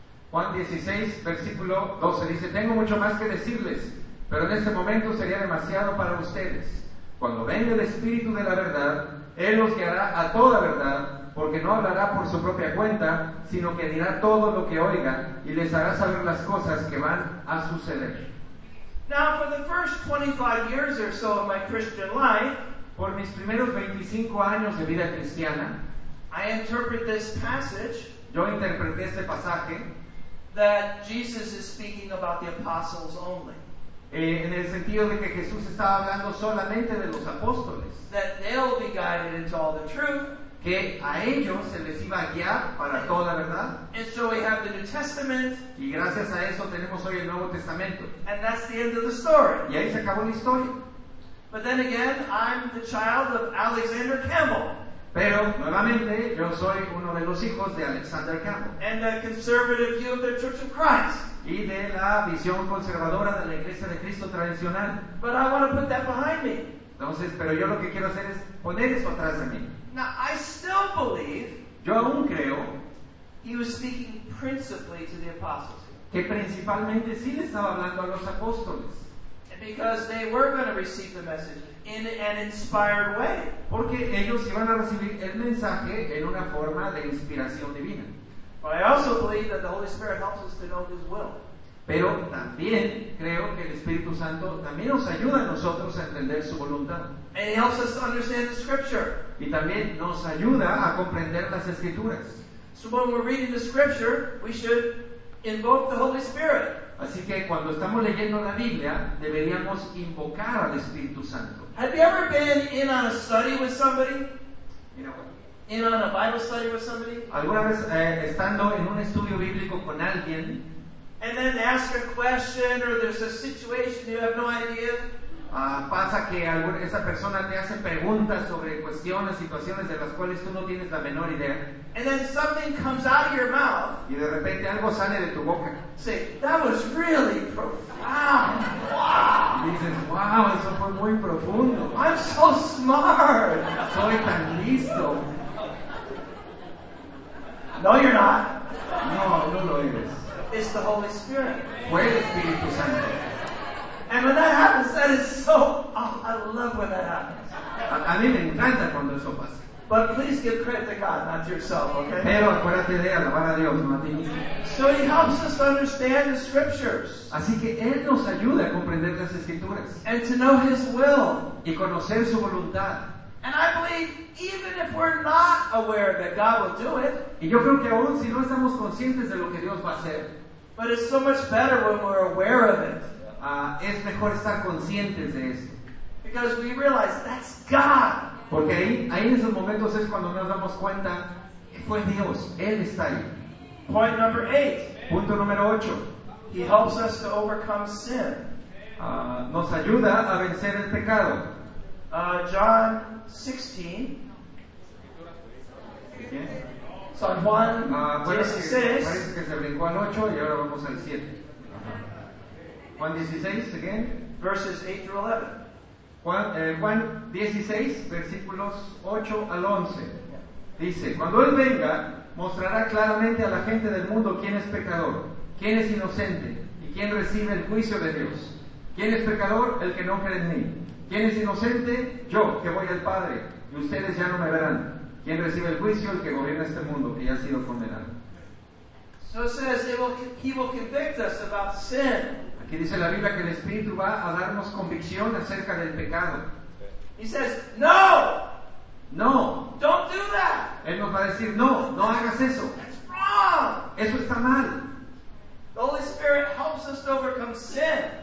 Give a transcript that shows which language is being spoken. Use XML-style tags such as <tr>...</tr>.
<es>Juan 16, versículo 12 dice: tengo mucho más que decirles, pero en este momento sería demasiado para ustedes. Cuando venga el Espíritu de la verdad, Él los guiará a toda verdad, porque no hablará por su propia cuenta, sino que dirá todo lo que oiga y les hará saber las cosas que van a suceder.</es> <en>Now, for the first 25 years or so of my Christian life,</en> <es>por mis primeros 25 años de vida cristiana,</es> <en>I interpret this passage,</en> <es>yo interpreté este pasaje,</es> <en>that Jesus is speaking about the apostles only.</en> <es>En el sentido de que Jesús estaba hablando solamente de los apóstoles.</es> <en>That they'll be guided into all the truth.</en> <es>Que a ellos se les iba a guiar para toda la verdad.</es> <en>And so we have the New Testament.</en> <es>Y gracias a eso tenemos hoy el Nuevo Testamento.</es> <en>And that's the end of the story.</en> <es>Y ahí se acabó la historia.</es> <en>But then again, I'm the child of Alexander Campbell.</en> <es>Pero nuevamente, yo soy uno de los hijos de Alexander Campbell.</es> <en>And the conservative view of the Church of Christ.</en> <es>Y de la visión conservadora de la Iglesia de Cristo tradicional.</es> <en>But I want to put that behind me.</en> <es>Entonces, pero yo lo que quiero hacer es poner eso atrás de mí.</es> <en>Now, I still believe.</en> <es>Yo aún creo.</es> <en>He was speaking principally to the apostles.</en> <es>Que principalmente sí le estaba hablando a los apóstoles.</es> <en>Because they were going to receive the message in an inspired way.</en> <es>Porque ellos iban a recibir el mensaje en una forma de inspiración divina.</es> <en>But I also believe that the Holy Spirit helps us to know His will.</en> <es>Pero también creo que el Espíritu Santo también nos ayuda a nosotros a entender su voluntad.</es> <en>And He helps us to understand the Scripture.</en> <es>Y también nos ayuda a comprender las Escrituras.</es> <en>So when we're reading the Scripture, we should invoke the Holy Spirit.</en> <es>Así que cuando estamos leyendo la Biblia, deberíamos invocar al Espíritu Santo.</es> <en>Have you ever been in on a study with somebody? In on a Bible study with somebody?</en> <es>¿Alguna vez estando en un estudio bíblico con alguien?</es> <en>And then they ask a question or there's a situation you have no idea.</en> <es>Pasa que esa persona te hace preguntas sobre cuestiones, situaciones de las cuales tú no tienes la menor idea.</es> <en>And then something comes out of your mouth.</en> <es>Y de repente algo sale de tu boca.</es> <en>Say, that was really profound. Wow.</en> <es>Y dices, wow, eso fue muy profundo.</es> <en>I'm so smart.</en> <es>Soy tan listo.</es> <en>No, you're not.</en> <es>No, no lo eres.</es> <en>It's the Holy Spirit.</en> <es>Fue el Espíritu Santo.</es> <en>And when that happens, that is so... Oh, I love when that happens.</en> <es>A mí me encanta cuando eso pasa.</es> <en>But please give credit to God, not to yourself, okay?</en> <es>Pero acuérdate de alabar a Dios, no a ti mismo.</es> <en>So He helps us understand the Scriptures.</en> <es>Así que Él nos ayuda a comprender las Escrituras.</es> <en>And to know His will.</en> <es>Y conocer su voluntad.</es> <en>And I believe, even if we're not aware of it, God will do it.</en> <es>Y yo creo que aún si no estamos conscientes de lo que Dios va a hacer.</es> <en>But it's so much better when we're aware of it.</en> <es>Es mejor estar conscientes de esto.</es> <en>Because we realize that's God.</en> <es>Porque ahí en esos momentos es cuando nos damos cuenta que fue Dios, Él está ahí.</es> <en>Point number 8.</en> <es>Punto número 8.</es> <en>He helps us to overcome sin.</en> <es>Nos ayuda a vencer el pecado.</es> <en>John 16. Okay. So Juan 16.</en> <es>Parece que se brincó al 8 y ahora vamos al 7. Juan 16, again.</es> <en>Verses 8 through 11.</en> <es>Juan 16, versículos 8 al 11. Dice, cuando Él venga, mostrará claramente a la gente del mundo quién es pecador, quién es inocente y quién recibe el juicio de Dios. ¿Quién es pecador? El que no cree en mí. ¿Quién es inocente? Yo, que voy al Padre, y ustedes ya no me verán. ¿Quién recibe el juicio? El que gobierna este mundo, que ya ha sido condenado.</es> <en>So it says he will convict us about sin.</en> <es>Aquí dice la Biblia que el Espíritu va a darnos convicción acerca del pecado.</es> <en>He says, no!</en> <es>No!</es> <en>Don't do that!</en> <es>Él nos va a decir, no, no hagas eso.</es> <en>That's wrong!</en> <es>Eso está mal.</es> <en>The Holy Spirit helps us to overcome sin.</en>